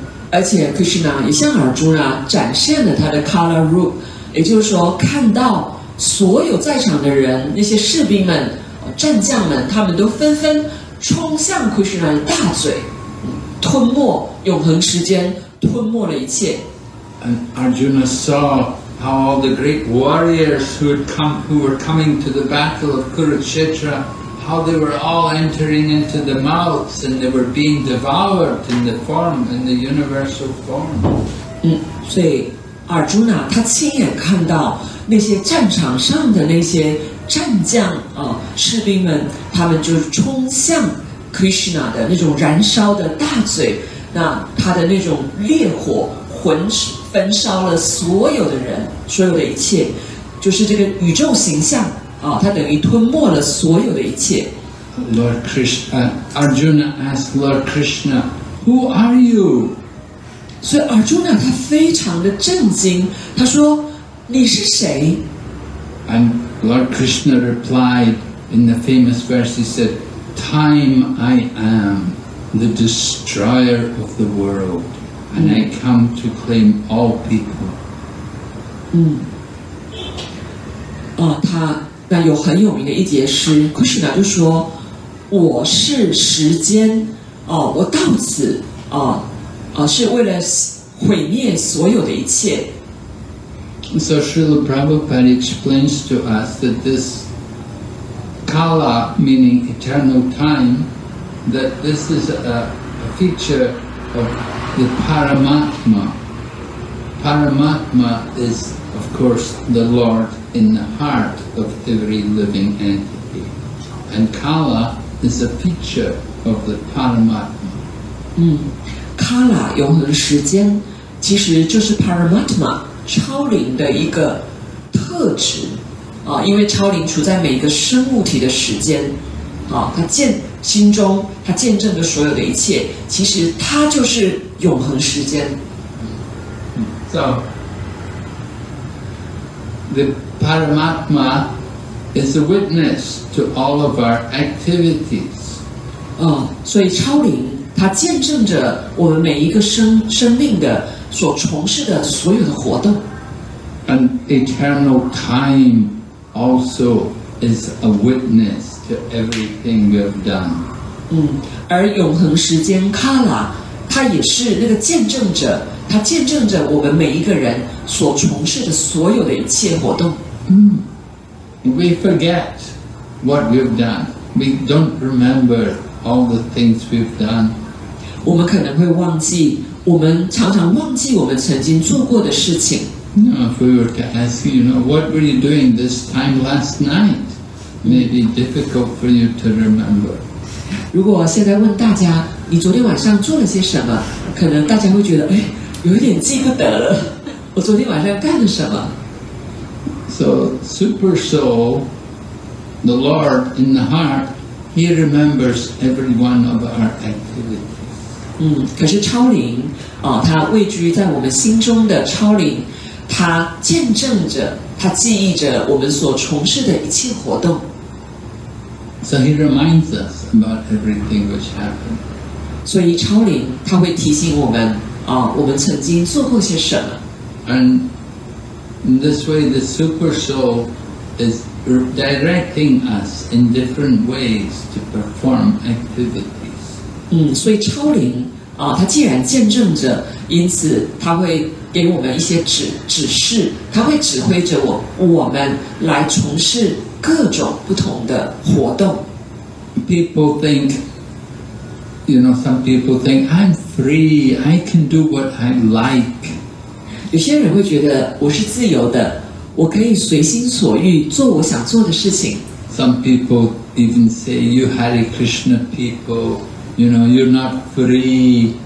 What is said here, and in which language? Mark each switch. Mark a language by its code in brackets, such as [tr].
[zh] 而且 Krishna 也向 Arjuna 展现了他的 [en] color rule， [zh] 也就是说看到所有在场的人，那些士兵们、战将们，他们都纷纷冲向 Krishna 的大嘴，吞没永恒时间，吞没了一切。 [en] And Arjuna saw how all the great warriors who were coming to the battle of Kurukshetra, how they were all entering into the mouths and they were being devoured in the form, in the universal form. [zh] 所以 Arjuna 他亲眼看到那些战场上的那些战将士兵们，他们就冲向 Krishna 的那种燃烧的大嘴，那他的那种烈火魂焚烧了所有的人，所有的一切，就是这个宇宙形象它等于吞没了所有的一切。 [en] Lord Krishna, Arjuna asked Lord Krishna, Who are you? [zh] 所以 Arjuna 他非常的震惊，他说你是谁？ [en] And Lord Krishna replied in the famous verse, he said, Time I am, the destroyer of the world. And I come to claim all people. [zh] 他那有很有名的一节诗 ，Krishna 就说：“我是时间，我到此，是为了毁灭所有的一切。” [en] So Srila Prabhupada explains to us that this kala, meaning eternal time, that this is a feature of the Paramatma. Paramatma is, of course, the Lord in the heart of every living entity. And Kala is a feature of the Paramatma. [zh] Kala, 永恒时间，其实就是 Paramatma, 超灵的一个特质。因为超灵处在每个生物体的时间，它见心中他见证的所有的一切，其实他就是永恒时间。 [en] So, the Paramatma is a witness to all of our activities. [zh] 所以超灵他见证着我们每一个生命的所从事的所有的活动。 [en] And eternal time also is a witness. To everything we have done. [zh] 而永恒时间 Kala 它也是那个见证者，它见证着我们每一个人所从事的所有的一切活动。 [en] We forget what we have done. We don't remember all the things we have done. [zh] 我们可能会忘记，我们常常忘记我们曾经做过的事情。 [en] If we were to ask you, you know, what were you doing this time last night? May be difficult for you to remember. [zh] 如果现在问大家，你昨天晚上做了些什么？可能大家会觉得，有点记不得了。我昨天晚上干了什么 [en] ？So, super soul, the Lord in the heart, He remembers every one of our activities. [zh] 可是超灵啊，它位居在我们心中的超灵，它见证着，它记忆着我们所从事的一切活动。 [en] So he reminds us about everything which happened. [zh] 所以超灵它会提醒我们啊，我们曾经做过些什么。 [en] And in this way, the super soul is directing us in different ways to perform activities. [zh] 所以超灵啊，它既然见证着，因此它会给我们一些指示，它会指挥着我们来从事各种不同的活动。 [en] People think, you know, some people think I'm free. I can do what I like. [zh] 有些人会觉得我是自由的，我可以随心所欲做我想做的事情。 [en] Some people even say, "You Hare Krishna people, you know, you're not free.